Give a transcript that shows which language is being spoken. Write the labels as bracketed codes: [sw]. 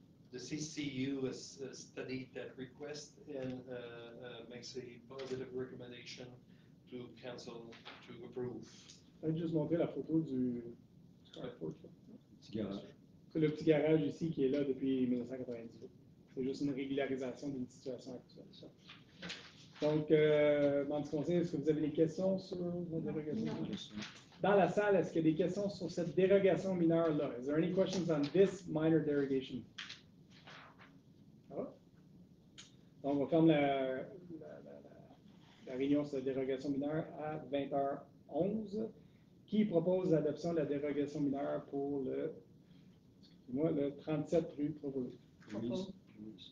[en] The CCU has studied that request and makes a positive recommendation to council to approve. I just want to see the photo of the carport. [fr] Petit garage. C'est le petit garage ici qui est là depuis 1998. C'est juste une régularisation d'une situation actuelle. Ça. Donc, dans le conseil, est-ce que vous avez des questions sur la dérogation mineure? Dans la salle, est-ce qu'il y a des questions sur cette dérogation mineure-là? [en] Is there any questions on this minor derogation? [fr] Alors? Donc, on ferme la réunion sur la dérogation mineure à 20h11. Qui propose l'adoption de la dérogation mineure pour le 37 rue Provost? Oui.